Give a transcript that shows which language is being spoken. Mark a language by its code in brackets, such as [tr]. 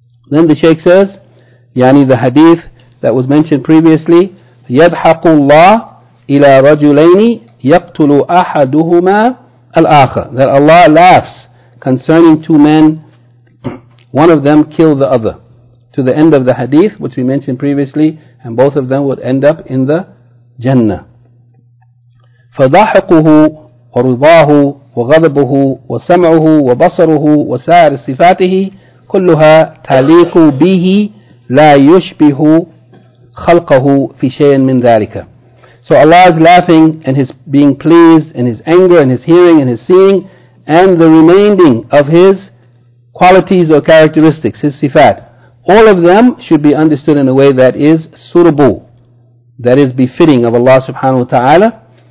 [en] Then the Shaykh says, yani the hadith that was mentioned previously, [ar] يَضْحَقُ اللَّهُ إِلَى رَجُلَيْنِ يَقْتُلُ أَحَدُهُمَا الْآخَرَ, [en] that Allah laughs concerning two men, one of them kill the other, to the end of the hadith which we mentioned previously, and both of them would end up in the Jannah. [ar] فَضَحَقُهُ وَرُضَاهُ وَغَضَبُهُ وَسَمْعُهُ وَبَصَرُهُ وَسَائِرِ صِفَاتِهِ كلها تليق به لا يشبه خلقه في شيء من ذلك. [en] So Allah is laughing and his being pleased and his anger and his hearing and his seeing and the remaining of his qualities or characteristics, his sifat, all of them should be understood in a way that is suitable, that is befitting of Allah subhanahu wa ta'ala.